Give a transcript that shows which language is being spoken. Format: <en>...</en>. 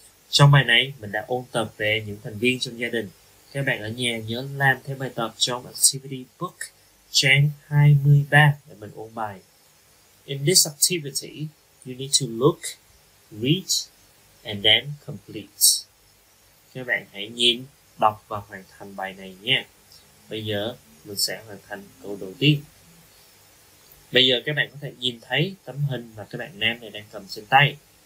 <vi>Trong bài này, mình đã ôn tập về những thành viên trong gia đình. Các bạn ở nhà nhớ làm thêm bài tập trong activity book trang 23 để mình ôn bài.</vi> <en>In this activity, you need to look, read, and then complete.</en> <vi>Các bạn hãy nhìn, đọc và hoàn thành bài này nhé. Bây giờ mình sẽ hoàn thành câu đầu tiên. Bây giờ các bạn có thể nhìn thấy tấm hình mà các bạn nam này đang cầm trên tay.</vi>